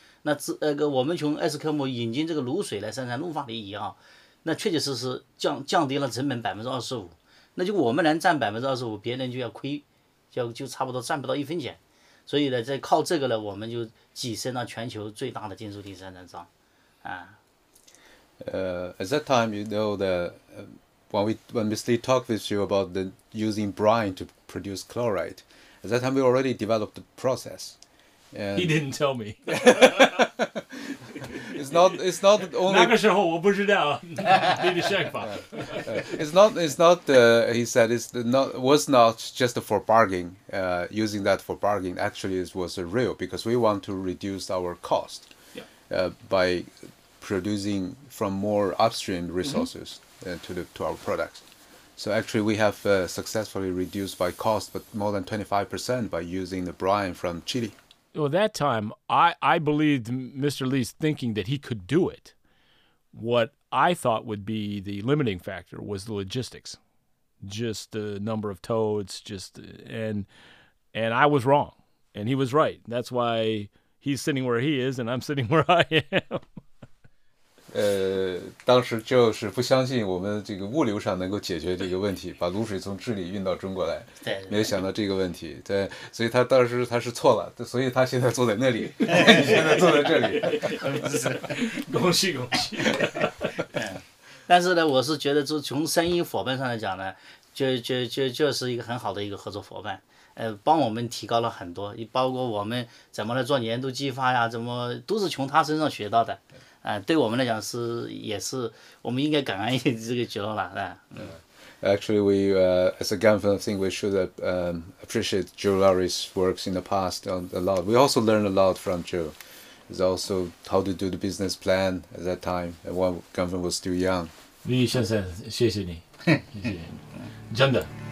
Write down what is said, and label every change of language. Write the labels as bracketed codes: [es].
[zh] 那我们从埃斯科姆引进这个卤水来生产氯化锂以后，那确确实实降低了成本25%。那就我们能占25%，别人就要亏，就差不多占不到一分钱。所以呢，在靠这个呢，我们就跻身了全球最大的金属锂生产商。 [en] At that time, you know that when Mr. Lee talked with you about the using brine to produce chloride, at that time we already developed the process. And he didn't tell me. It's not only [zh] 那个时候我不知道你的想法。 [en] It's not. He said it was not just for bargaining. Using that for bargaining actually was real because we want to reduce our cost. Yeah. By producing from more upstream resources to our products. So actually, we have successfully reduced by cost, but more than 25% by using the brine from Chile. Well, that time, I believed Mr. Lee's thinking that he could do it. What I thought would be the limiting factor was the logistics, just the number of toads, and I was wrong, and he was right. That's why he's sitting where he is, and I'm sitting where I am. [zh] 当时就是不相信我们这个物流上能够解决这个问题，把卤水从智利运到中国来，没有想到这个问题。对，所以他当时他是错了，所以他现在坐在那里，现在坐在这里，恭喜恭喜。但是呢，我是觉得从生意伙伴上来讲呢，就是一个很好的一个合作伙伴，帮我们提高了很多，包括我们怎么来做年度计划呀，怎么都是从他身上学到的。对我们来讲也是我们应该感恩这个角了，对。 [en] Actually, we as a Ganfeng, I think we should appreciate Joe Lowry's works in the past a lot. We also learned a lot from Joe. It's also how to do the business plan at that time when Ganfeng was still young. [zh] 李先生，谢谢你，谢谢，真的。